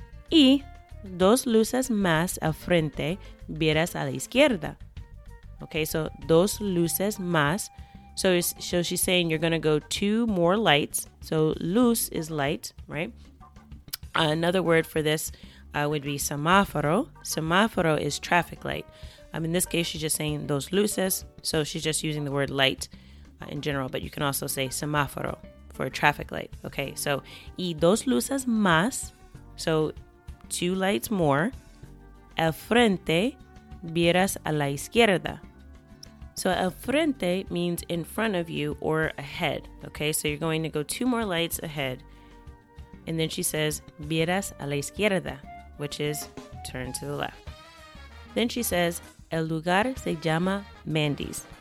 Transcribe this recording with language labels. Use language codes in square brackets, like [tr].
[es] Y dos luces más al frente, viras a la izquierda. [en] Okay, so dos luces más. So she's saying you're going to go two more lights. So luz is light, right? Another word for this would be semáforo. Semáforo is traffic light. In this case, she's just saying dos luces. So she's just using the word light in general. But you can also say semáforo for a traffic light. Okay, so y dos luces más. So two lights more. [es] Al frente, vieras a la izquierda. [en] So al frente means in front of you or ahead, okay? So you're going to go two more lights ahead. And then she says, viras a la izquierda, which is turn to the left. Then she says, el lugar se llama Mandy's.